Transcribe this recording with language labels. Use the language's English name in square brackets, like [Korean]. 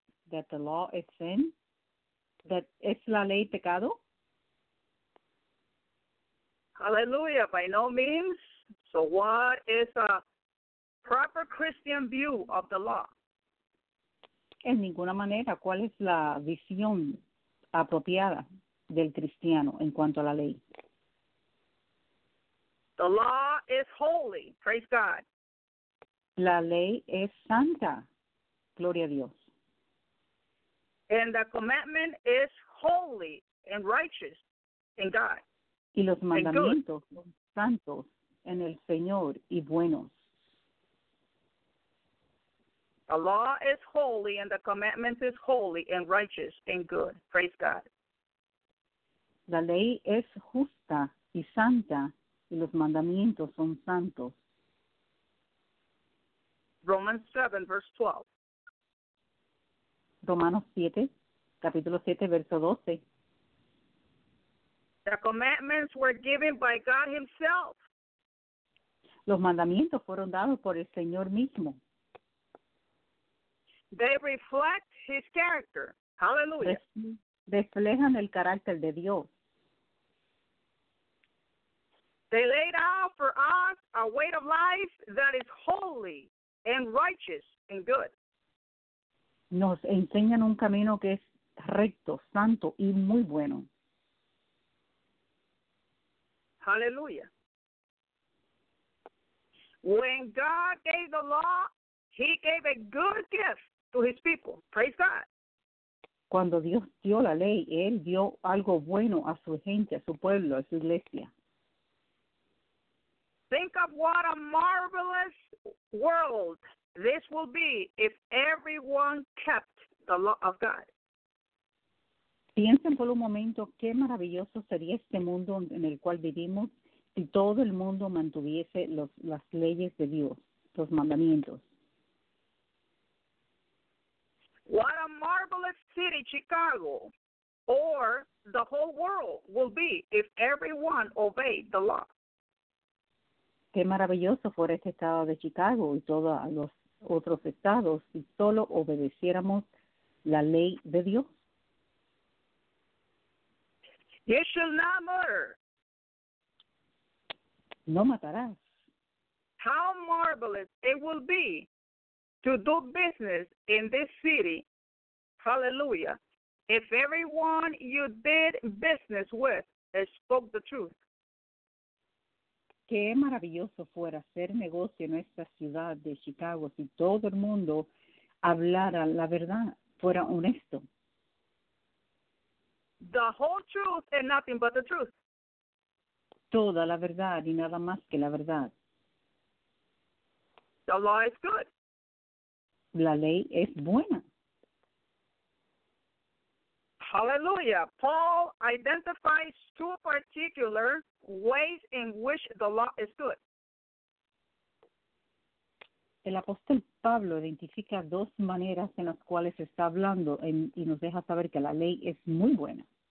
[English] That the law is sin. That [Spanish] es la ley pecado. [English] Hallelujah. By no means. So what is a proper Christian view of the law? [Spanish] En ninguna manera. ¿Cuál es la visión apropiada del cristiano en cuanto a la ley? [English] The law is holy. Praise God. [Spanish] La ley es santa. Gloria a Dios. [English] And the commandment is holy and righteous in God. [Spanish] Y los mandamientos son santos en el Señor y buenos. [English] The law is holy and the commandment is holy and righteous and good. Praise God. [Spanish] La ley es justa y santa y los mandamientos son santos. [English] Romans 7, verse 12. [Spanish] Romanos 7, capítulo 7, verso 12. [English] The commandments were given by God himself. [Spanish] Los mandamientos fueron dados por el Señor mismo. [English] They reflect his character. Hallelujah. [Spanish] Reflejan el carácter de Dios. [English] They laid out for us a way of life that is holy and righteous and good. [Spanish] Nos enseñan un camino que es recto, santo y muy bueno. [English] Hallelujah. When God gave the law, he gave a good gift to his people. Praise God. [Spanish] Cuando Dios dio la ley, él dio algo bueno a su gente, a su pueblo, a su iglesia. [English] Think of what a marvelous world this will be if everyone kept the law of God. [Spanish] Piensen por un momento qué maravilloso sería este mundo en el cual vivimos si todo el mundo mantuviese las leyes de Dios, los mandamientos. [English] What a marvelous city Chicago or the whole world will be if everyone obeyed the law. [Spanish] Qué maravilloso fuera este estado de Chicago y todos los otros estados si solo obedeciéramos la ley de Dios. [English] You shall not murder. [Spanish] No matarás. [English] How marvelous it will be to do business in this city, hallelujah, if everyone you did business with spoke the truth. [Spanish] Qué maravilloso fuera hacer negocio en esta ciudad de Chicago si todo el mundo hablara la verdad, fuera honesto. [English] The whole truth and nothing but the truth. [Spanish] Toda la verdad y nada más que la verdad. [English] The law is good. [Spanish] La ley es buena. [English] Hallelujah. Paul identifies two particular ways in which the law is good. [Spanish] El apóstol Pablo identifica dos maneras en las cuales está hablando y nos deja saber que la ley es muy buena.